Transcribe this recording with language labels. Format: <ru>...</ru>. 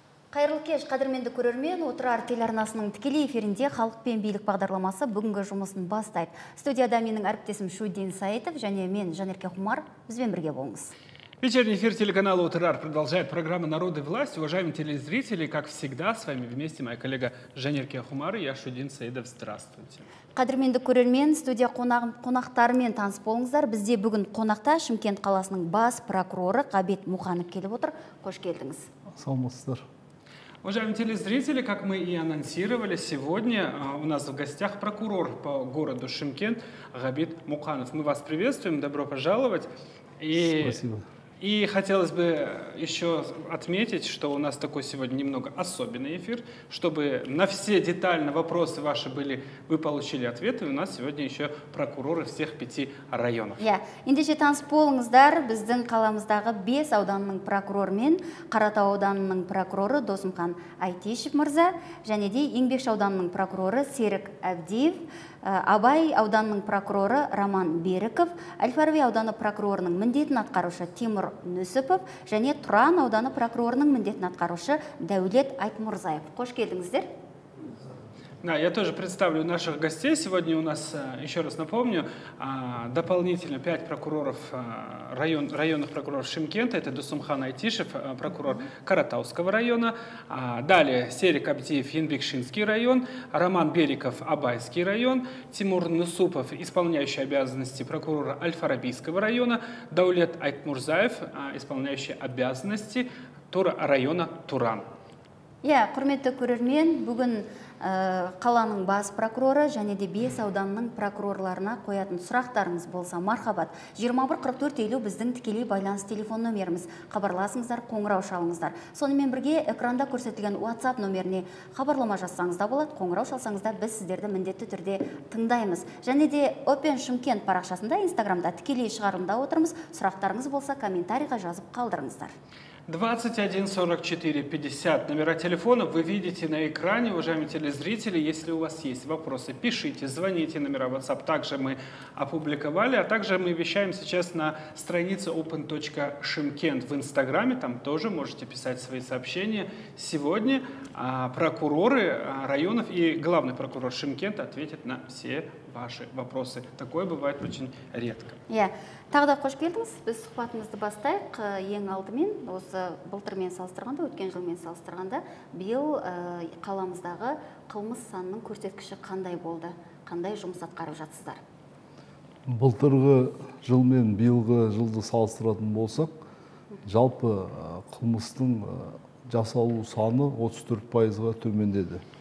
<kk>Қайырлы кеш, қадірменді көрермен, отырар телеарнасының тікелей эфирінде халық пен билік бағдарламасы бүгінгі жұмысын бастайды. Студияда менің әріптесім Шудин Саитов, және мен Жанерке Хумар, бізбен бірге болыңыз.</kk> <ru>Вечерний эфир телеканала «УТРАР» продолжает программа «Народ и власть». Уважаемые телезрители, как всегда, с вами вместе моя коллега Жанерке Хумар и я, Шудин Саидов. Здравствуйте.</ru> <kk>Қадірменді көрермен, студия қонақтарымен таныс болыңыздар. Бізде бүгін қонақта Шымкент қаласының бас прокуроры Ғабит Мұханов келіп отыр. Қош келдіңіз. Сау болыңыздар.</kk> <ru>Уважаемые телезрители, как мы и анонсировали, сегодня у нас в гостях прокурор по городу Шымкент Ғабит Мұханов. Мы вас приветствуем, добро пожаловать. Спасибо. И хотелось бы еще отметить, что у нас такой сегодня немного особенный эфир, чтобы на все детально вопросы ваши были, вы получили ответы. У нас сегодня еще прокуроры всех пяти районов. Я.</ru> <kk>Ендеше таныс болыңыздар, біздің қаламыздағы бес ауданның прокуроры мен Қаратау ауданының прокуроры Досымхан Айтешев мырза, және де Еңбекші ауданының прокуроры Серік Әбдеев. Абай ауданының прокуроры Роман Беріков, Әл-Фараби ауданы прокурорының міндетін атқарушы Тимур Нүсіпов, және Тұран ауданы прокурорының міндетін атқарушы Дәулет Айтмұрзаев. Қош келдіңіздер.</kk> <ru>Да, я тоже представлю наших гостей. Сегодня у нас, еще раз напомню, дополнительно 5 прокуроров, районных прокуроров Шымкента. Это Досымхан Айтишев, прокурор Каратауского района. Далее Серік Әбдеев, Енбекшинский район. Роман Беріков, Абайский район. Тимур Нусупов, исполняющий обязанности прокурора Аль-Фарабийского района. Дәулет Айтмұрзаев, исполняющий обязанности района Туран.</ru> <kk>Я, құрметті көрермен, бүгін қаланың бас прокуроры және де бес ауданның прокурорларына қоятын сұрақтарыңыз болса, мархабат. 21-44-50 біздің тікелей байланыс телефон номеріміз. Хабарласыңыздар, қоңырау шалыңыздар. Сонымен бірге экранда көрсетілген WhatsApp номеріне хабарлама жасаңыз да болады. Қоңырау шалсаңыз да біз сіздерді міндетті түрде тыңдаймыз. Және де Open Шымкент парақшасында Instagram-да тікелей шығарымда отырмыз. Сұрақтарыңыз болса, комментарийға жазып қалдырыңыздар. 21-44-50.</kk> <ru>Номера телефонов вы видите на экране, уважаемые телезрители. Если у вас есть вопросы, пишите, звоните. Номера WhatsApp также мы опубликовали. А также мы вещаем сейчас на странице open.shymkent в Инстаграме. Там тоже можете писать свои сообщения. Сегодня прокуроры районов и главный прокурор Шымкента ответят на все ваши вопросы. Такое бывает очень редко.</ru> <kk>Тағыда қош келдіңіз. Біз сұхбатымызды бастайық. Ең алдымен осы былтырмен салыстырғанда, өткен жылмен салыстырғанда, биыл қаламыздағы қылмыс санының көрсеткіші қандай болды? Қандай жұмыс атқарып жатсыздар? Былтырғы жылмен биылғы жылды салыстыратын болсақ, жалпы қылмыстың жасалу саны 34%-ға төмендеді.</kk>